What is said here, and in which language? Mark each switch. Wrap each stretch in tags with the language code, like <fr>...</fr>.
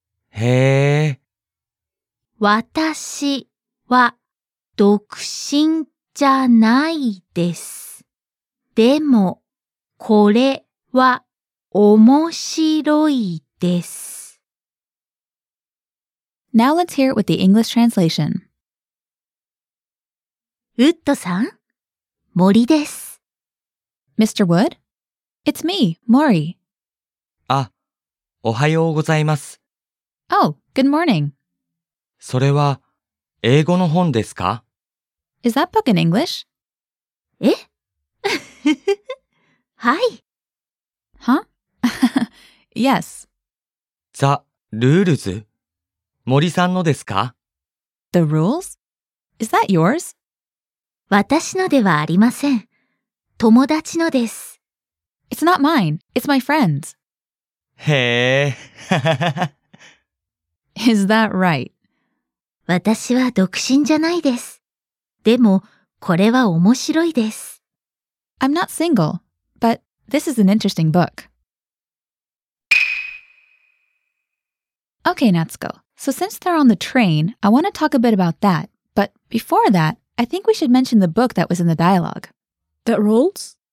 <ja>へえ。私は独身じゃないです。でも、これは面白いです。</ja> <en>Now let's hear it with the English translation.</en> <ja>ウッドさん、森です。</ja> <en>Mr. Wood? It's me, Mori.</en> <ja>あ、おはようございます。</ja> <en>Oh, good morning.</en> <ja>それは、英語の本ですか？</ja> <en>Is that book in English?</en> <ja>え？はい。</ja> <en>Huh? Yes.</en> <ja>The rules? 森さんのですか？</ja> <en>The rules? Is that yours?</en> <ja>私のではありません。友達のです。</ja> <en>It's not mine. It's my friend's.</en> <ja>へぇ。</ja> <en>Is that right?</en> <ja>私は独身じゃないです。でも、これは面白いです。</ja> <en>I'm not single, but this is an interesting book. Okay, Natsuko. So since they're on the train, I want to talk a bit about that. But before that, I think we should mention the book that was in the dialogue. The Rules?</en>